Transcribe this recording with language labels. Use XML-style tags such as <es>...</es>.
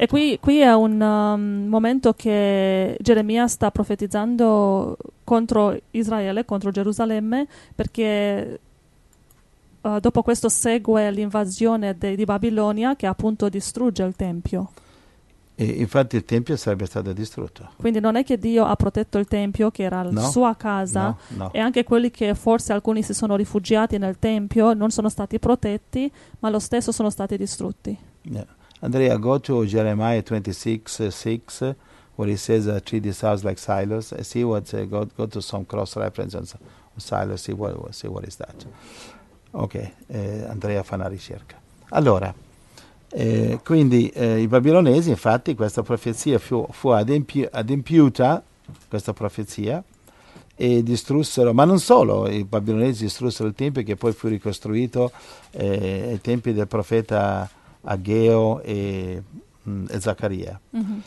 <it>E qui è un momento che Geremia sta profetizzando contro Israele, contro Gerusalemme, perché dopo questo segue l'invasione di Babilonia, che appunto distrugge il Tempio. E infatti il Tempio sarebbe stato distrutto. Quindi non è che Dio ha protetto il Tempio, che era la sua casa, no. E anche quelli che forse alcuni si sono rifugiati nel Tempio non sono stati protetti, ma lo stesso sono stati distrutti.</it> <en>Yeah. Andrea, go to Jeremiah 26:6, where he says, treat this house like Silas. See what, go to some cross-reference on Silas, see what is that.</en> <it>Ok, Andrea fa una ricerca. Allora, quindi i babilonesi, infatti, questa profezia fu adempiuta, questa profezia, e distrussero, ma non solo, i babilonesi distrussero il Tempio, che poi fu ricostruito ai tempi del profeta Ageo e Zaccaria. Mm-hmm.</it>